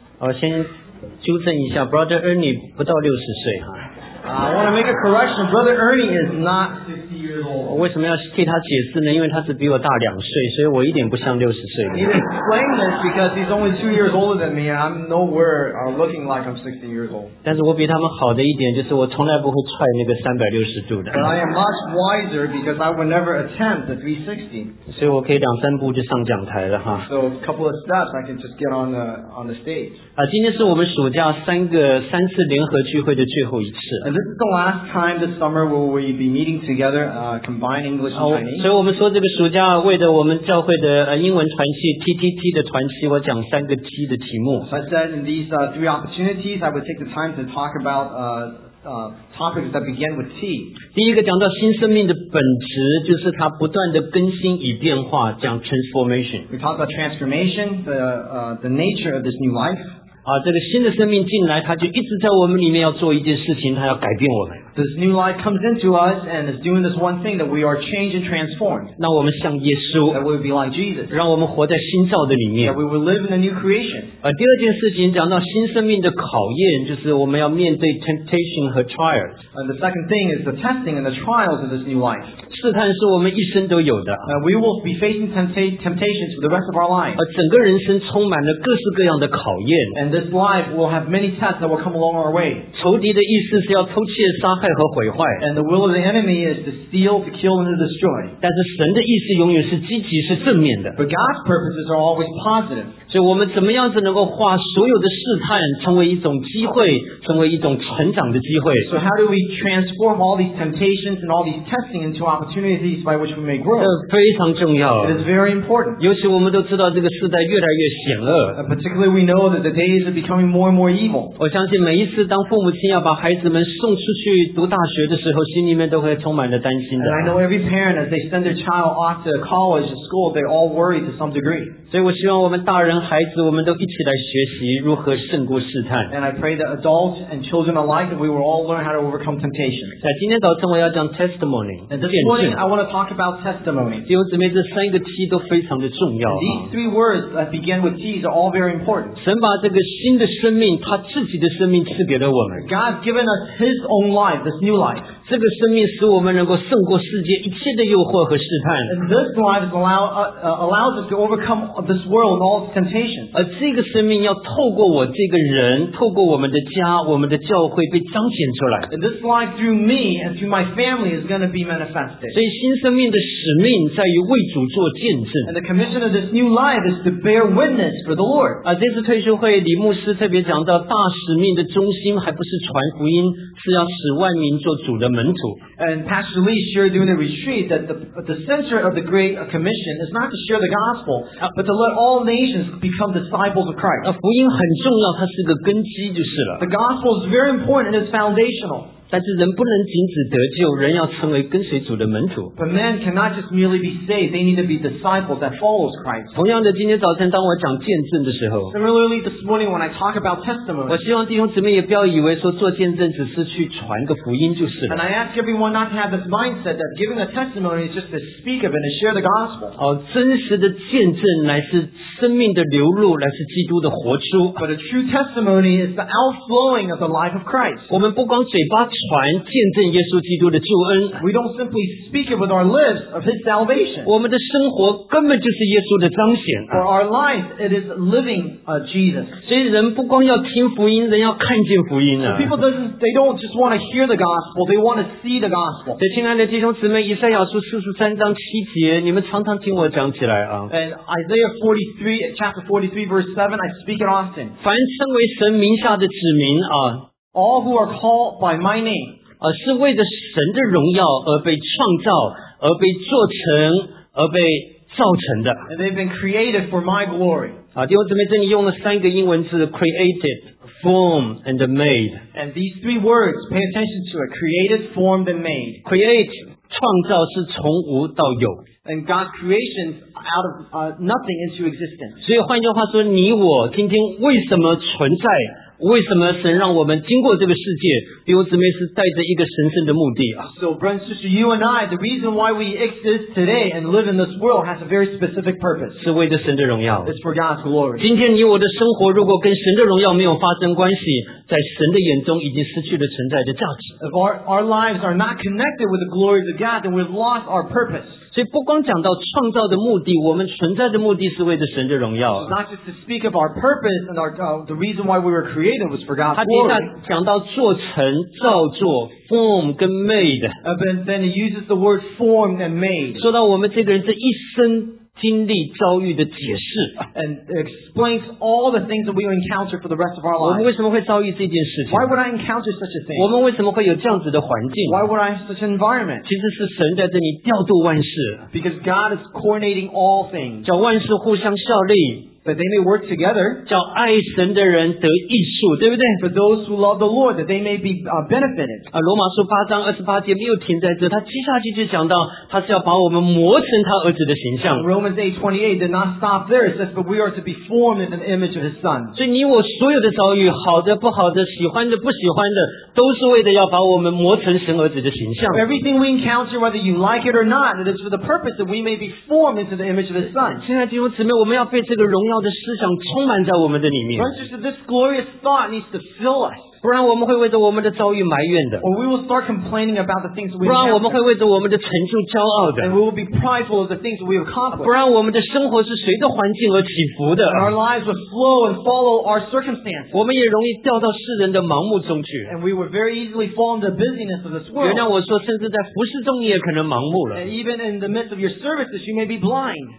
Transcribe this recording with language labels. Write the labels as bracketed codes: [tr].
[zh] 我先纠正一下 ，Brother Ernie 不到六十岁哈。 [en] I want to make a correction. Brother Ernie is not 50 years old. [zh] 为什么要替他解释呢？因为他是比我大两岁，所以我一点不像六十岁。 [en] He explained this because he's only 2 years older than me, and I'm nowhere looking like I'm 60 years old. [zh] 但是我比他们好的一点就是我从来不会踹那个360度的。 [en] But I am much wiser because I would never attempt the 360. [zh] 所以我可以两三步就上讲台了哈。 [en] So a couple of steps, I can just get on the stage. [zh] 今天是我们暑假三次联合聚会的最后一次。 [en] And this is the last time this summer where we'll be meeting together, combined English and Chinese. [zh] 所以我们说这个暑假为了我们教会的英文团契 TTT 的团契，我讲三个 T 的题目。 [en] So I said in these three opportunities, I would take the time to talk about topics that begin with T. [zh] 第一个讲到新生命的本质，就是它不断的更新与变化，讲 transformation. [en] We talk about transformation, the nature of this new life. [zh] 这个新的生命进来，它就一直在我们里面要做一件事情，它要改变我们。 [en] This new life comes into us and is doing this one thing that we are changed and transformed. [zh] 让我们像耶稣。 [en] That we will be like Jesus. [zh] 让我们活在新造的里面。 [en] That we will live in a new creation. [zh] 第二件事情讲到新生命的考验，就是我们要面对 temptation 和 trials. [en] And the second thing is the testing and the trials of this new life. [zh] 试探是我们一生都有的。 [en] We will be facing temptations for the rest of our lives. [zh] 整个人生充满了各式各样的考验。 [en] And this life will have many tests that will come along our way. [zh] 仇敌的意思是要偷窃、杀害和毁坏。 [en] And the will of the enemy is to steal, to kill, and to destroy. [zh] 但是神的意思永远是积极、是正面的。 [en] But God's purposes are always positive. [zh] 所以我们怎么样子能够化所有的试探成为一种机会，成为一种成长的机会？ [en] So how do we transform all these temptations and all these testing into opportunities? Opportunities by which we may grow. [zh] 这非常重要。 [en] It is very important. [zh] 尤其我们都知道这个世代越来越险恶。 [en] Particularly, we know that the days are becoming more and more evil. [zh] 我相信每一次当父母亲要把孩子们送出去读大学的时候，心里面都会充满了担心的。 [en] And I know every parent as they send their child off to college or school, they all worry to some degree. [zh] 所以我希望我们大人孩子，我们都一起来学习如何胜过试探。 [en] And I pray that adults and children alike, we will all learn how to overcome temptation. [zh] 在今天早晨我要讲 testimony. [en] I want to talk about testimony. [zh] 弟兄姊妹，这三个 T 都非常的重要。 [en] These three words that begin with T's are all very important. [zh] 神把这个新的生命，他自己的生命赐给了我们。 [en] God's given us His own life, this new life. [zh] 这个生命使我们能够胜过世界一切的诱惑和试探。 [en] This life allows us to overcome this world and all its temptations. [zh] 这个生命要透过我这个人，透过我们的家，我们的教会被彰显出来。 [en] This life through me and through my family is going to be manifested. [zh] 所以新生命的使命在于为主做见证。 [en] And the commission of this new life is to bear witness for the Lord. [zh] 这次退休会李牧师特别讲到，大使命的中心还不是传福音，是要使万民做主的。 [en] And Pastor Lee shared during the retreat that the center of the Great Commission is not to share the gospel, but to let all nations become disciples of Christ. [zh] 福音很重要，它是个根基就是了。 [en] The gospel is very important and it's foundational. [zh] 但是人不能仅止得救，人要成为跟随主的门徒。 [en] But men cannot just merely be saved; they need to be disciples that follows Christ. [zh] 同样的，今天早晨当我讲见证的时候 [en] ，Similarly, this morning when I talk about testimony, [zh] 我希望弟兄姊妹也不要以为说做见证只是去传个福音就是了。 [en] And I ask everyone not to have this mindset that giving a testimony is just to speak of and to share the gospel. [zh] 真实的见证乃是生命的流露，乃是基督的活出。 [en] But a true testimony is the outflowing of the life of Christ. [zh] 我们不光嘴巴。传见证耶稣基督的救恩。 [en] We don't simply speak it with our lips of His salvation. [zh] 我们的生活根本就是耶稣的彰显。 [en] For our lives, it is living Jesus. [zh] 所以人不光要听福音，人要看见福音啊。 [en] People don't just want to hear the gospel; they want to see the gospel. [zh] 对，亲爱的弟兄姊妹，以赛亚书43:7，你们常常听我讲起来啊。 [en] And Isaiah 43, chapter 43, verse 7, I speak it often. [zh] 凡称为神名下的子民啊。 [en] All who are called by my name, [zh] 是为着神的荣耀而被创造，而被做成，而被造成的。 [en] And they've been created for my glory. [zh] 弟兄姊妹，这里用了三个英文字 ， [en] created, formed, and made. And these three words, pay attention to it: created, formed, and made. [zh] Create, 创造是从无到有。 [en] And God's creation out of nothing into existence. [zh] 所以换句话说，你我今天为什么存在？为什么神让我们经过这个世界，弟兄姊妹是带着一个神圣的目的啊。 [en] So, brothers and sisters, you and I, the reason why we exist today and live in this world has a very specific purpose. [zh] 是为着神的荣耀。 [en] It's for God's glory. [zh] 今天你我的生活如果跟神的荣耀没有发生关系，在神的眼中已经失去了存在的价值。 [en] If our lives are not connected with the glory of God, then we've lost our purpose. [zh] 所以不光讲到创造的目的，我们存在的目的是为了神的荣耀。 [en] Not just to speak of our purpose and the reason why we were created was for God's glory. [zh] 他接下来讲到做成、造作、form 跟 made. [en] But then he uses the word form and made. [zh] 说到我们这个人这一生经历遭遇的解释。 [en] And explains all the things that we encounter for the rest of our lives. [zh] 我们为什么会遭遇这件事情？ [en] Why would I encounter such a thing? [zh] 我们为什么会有这样子的环境？ [en] Why would I have such an environment? [zh] 其实是神在这里调度万事。 [en] Because God is coordinating all things. [zh] 叫万事互相效力。 [en] That they may work together. [zh] 叫爱神的人得益处，对不对？ [en] For those who love the Lord, that they may be benefited. [zh] 罗马书八章二十八节没有停在这，他接下去就讲到，他是要把我们磨成他儿子的形象。 [en] Romans 8:28 did not stop there. It says, but we are to be formed in the image of His Son. [zh] 所以你我所有的遭遇，好的、不好的、喜欢的、不喜欢的，都是为了要把我们磨成神儿子的形象。 [en] Everything we encounter, whether you like it or not, it is for the purpose that we may be formed into the image of His Son. [zh] 亲爱的弟兄姊妹，我们要被这个荣耀的思想充满在我们的里面。 [en] This glorious thought needs to fill us. [zh] 不然我们会为着我们的遭遇埋怨的。 [en] Or we will start complaining about the things we. [zh] 不然我们会为着我们的成就骄傲的。 [en] And we will be prideful of the things we have accomplished. [zh] 不然我们的生活是随着环境而起伏的。 [en] Our lives will flow and follow our circumstances. [zh] 我们也容易掉到世人的盲目中去。 [en] And we will very easily fall into the busyness of this world. [zh] 原谅我说，甚至在服事中你也可能盲目了。 [en] And even in the midst of your services, you may be blind.